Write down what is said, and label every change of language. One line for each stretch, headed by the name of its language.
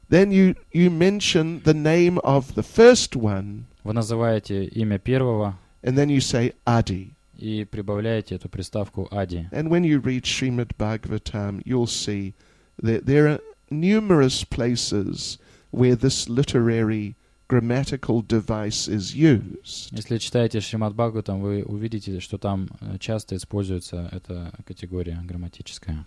English: Then you mention the name of the first one.
Russian: Вы называете имя первого.
English: And then you say Adi.
Russian: И прибавляете эту приставку Adi.
English: And when you read Srimad Bhagavatam, you'll see that there are numerous places where this literary grammatical device is used.
Russian: Если читаете Шримад Бхагаватам, вы увидите, что там часто используется эта категория грамматическая.